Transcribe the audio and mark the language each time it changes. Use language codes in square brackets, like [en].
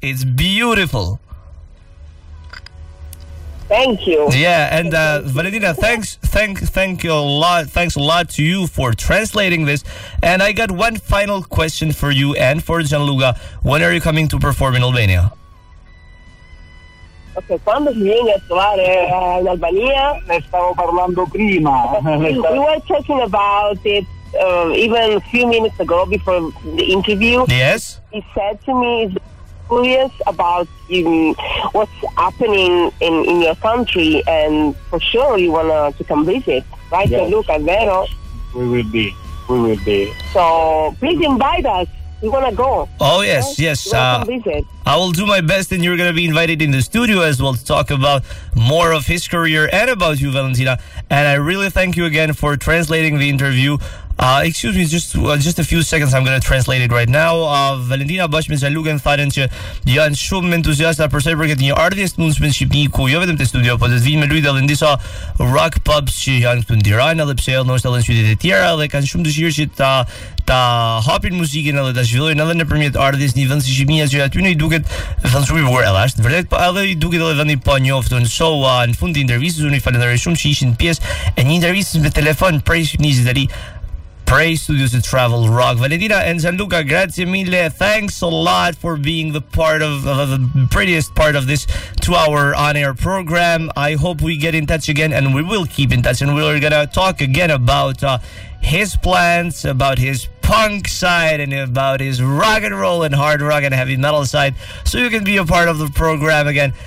[en] It's beautiful. Thank you. Yeah, and Valentina, thanks a lot to you for translating this. And I got one final question for you and for Gianluca. When are you coming to perform in Albania? [it] Okay, quando vieni a trovare in Albania? Ne stavo parlando prima. [en] We were talking about it even a few minutes ago before the interview. Yes. He said to me, curious about what's happening in your country, and for sure you want to come visit, right? Yes. Look, Alvaro. We will be. So please invite us. We want to go. Oh yes, right? Yes. Visit. I will do my best, and you're going to be invited in the studio as well to talk about more of his career and about you, Valentina. And I really thank you again for translating the interview. Excuse me, just a few seconds. I'm going to translate it right now. [sq] Valentina bashkë me Gianluca thanë që janë shumë entuziastë për sa i përket një artist mundshëm në Shqipëri, ku jo vetëm te studio, por do të vinë me lui dhe në disa rock pubs që janë këtu në Tiranë, edhe pse edhe nëse në qytete të tjera, dhe kanë shumë dëshirë që ta hapin muzikën edhe ta zhvillojnë edhe nëpërmjet artist në vend si Shqipëria, që aty në i duket thënë shumë i vogël, edhe është vërtet, po edhe i duket edhe vendi pa njoftën. So në fund të intervistës unë i falenderoj shumë që ishin pjesë e një intervistës me telefon prej Shqipërisë deri Prey Studios and Travel Rock. [en] Valentina and Gianluca, [it] grazie mille. [en] Thanks a lot for being the part of the prettiest part of this 2-hour on-air program. I hope we get in touch again, and we will keep in touch, and we're going to talk again about his plans, about his punk side, and about his rock and roll and hard rock and heavy metal side, so you can be a part of the program again.